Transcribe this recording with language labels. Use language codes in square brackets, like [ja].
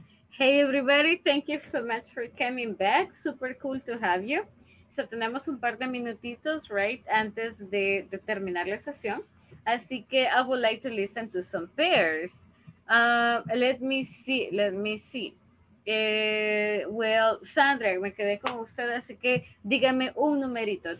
[en] Hey everybody, thank you so much for coming back. Super cool to have you. [es] So tenemos un par de minutitos, right, antes de terminar la sesión. Así que [en] I would like to listen to some pairs. Let me see. [es] Well, Sandra, me quedé con usted, así que dígame un numerito.